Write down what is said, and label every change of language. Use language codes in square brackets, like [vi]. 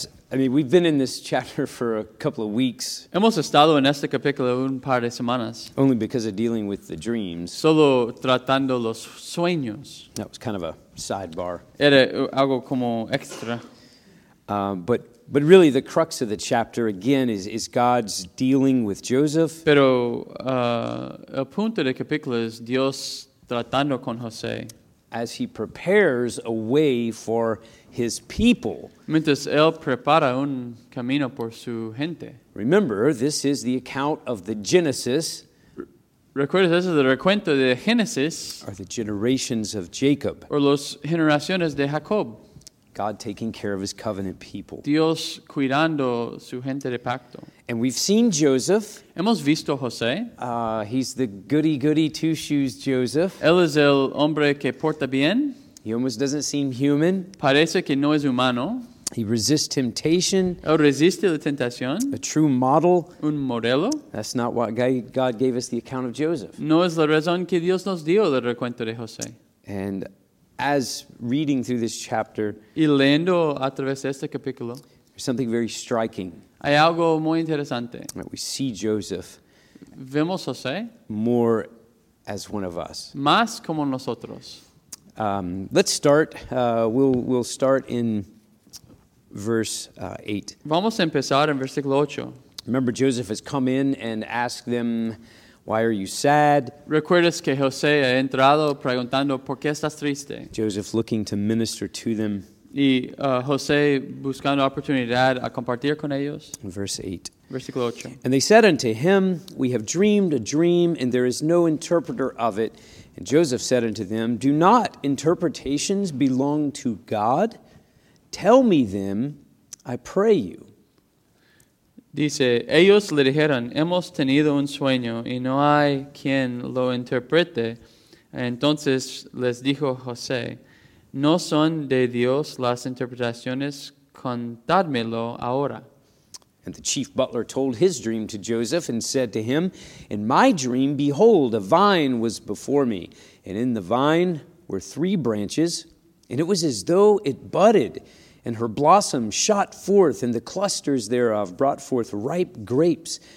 [en] We've been in this chapter for a couple of weeks. [es] Hemos estado en este capítulo un par de semanas. [en] Only because of dealing with the dreams. [es] Solo tratando los sueños. [en] That was kind of a sidebar. [es] Era algo como extra. [en] But really, the crux of the chapter again is God's dealing with Joseph. [es] Pero el punto del capítulo es Dios tratando con José. [en] As he prepares a way for his people. [es] Mientras él prepara un camino por su gente. [en] Remember, this is the account of the Genesis. [es] Recuerda, ese es el recuento de Génesis. [en] Or the generations of Jacob. [es] O las generaciones de Jacob. [en] God taking care of his covenant people. [es] Dios cuidando su gente de pacto. [en] And we've seen Joseph. [es] Hemos visto José. [en] He's the goody-goody two-shoes Joseph. [es] Él es el hombre que porta bien. [en] He almost doesn't seem human. [es] Parece que no es humano. [en] He resists temptation. [es] Él resiste la tentación. [en] A true model. [es] Un modelo. [en] That's not what God gave us the account of Joseph. [es] No es la razón que Dios nos dio el recuento de José. [en] And as reading through this chapter, [es] y leyendo a través de este capítulo, [en] there's something very striking. [es] Hay algo muy interesante. [en] That we see Joseph. [es] Vemos José. [en] More as one of us. [es] Más como nosotros. [en] Let's start. We'll start in verse 8. [es] Vamos a empezar en versículo 8. [en] Remember, Joseph has come in and asked them, why are you sad? [es] Recuerdas que José ha entrado preguntando por qué estás triste. [en] Joseph looking to minister to them. [es] Y José buscando oportunidad a compartir con ellos. [en] Verse 8. [es] Versículo 8. [en] And they said unto him, we have dreamed a dream, and there is no interpreter of it. And Joseph said unto them, do not interpretations belong to God? Tell me them, I pray you. [es] Dice, ellos le dijeron, hemos tenido un sueño y no hay quien lo interprete. Entonces les dijo José, ¿no son de Dios las interpretaciones? Contádmelo ahora. [en] And the chief butler told his dream to Joseph and said to him, in my dream, behold, a vine was before me, and in the vine were three branches, and it was as though it budded. And her blossom shot forth, and the clusters thereof brought forth ripe grapes.